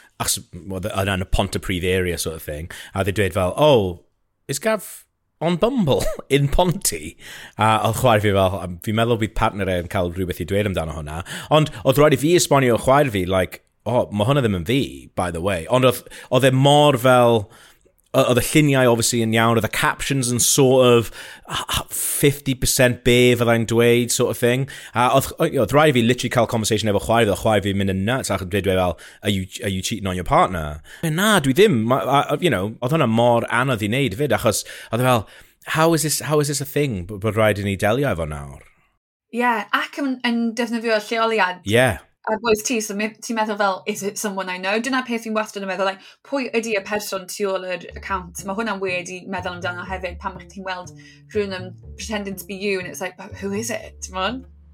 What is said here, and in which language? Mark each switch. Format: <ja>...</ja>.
<cy>Achos oedd yn y Pontypridd</cy> <en>area sort of thing.</en> <cy>A dwi dweud fel,</cy> <en>oh, is Gav on Bumble in Ponty?</en> <cy>A oedd chwaer fi fel, fi'n meddwl bydd partner e yn cael rhywbeth I dweud amdano hwnna. Ond oedd rhaid I fi esbonio chwaer fi,</cy> <en>like, oh,</en> <cy>mae hwnna ddim yn fi,</cy> <en>by the way.</en> <cy>Ond oedd e mor fel... Oedd y lluniau, obviously, yn iawn. Oedd y captions yn sort of 50% be fyddai'n dweud,</cy> <en>sort of thing.</en> <cy>A oedd rhaid fi literally cael conversation efo chwaer fi, oedd chwaer fi'n mynd yn nuts, ac dweud fel,</cy> <en>are you cheating on your partner?</en> <cy>Ben, na, dwi ddim.</cy> <en>You know,</en> <cy>oedd hwnna mor anodd I wneud, fyd, achos oedd fel,</cy> <en>how is this a thing,</en> <cy>bod rhaid I ni delio efo nawr? Yeah, ac yn defnyddio lleoliad. Yeah.</cy> <en>A boys tea, so</en> <cy>ti'n meddwl fel,</cy> <en>is it someone I know?</en> <cy>Dyna peth fi'n wastad yn meddwl, like, pwy ydy y person tu ôl yr account? Mae hwnna'n weird I meddwl amdano hefyd, pan mae ti'n weld rhywun yn</cy> <en>pretending to be you, and it's like, who is it, man?</en>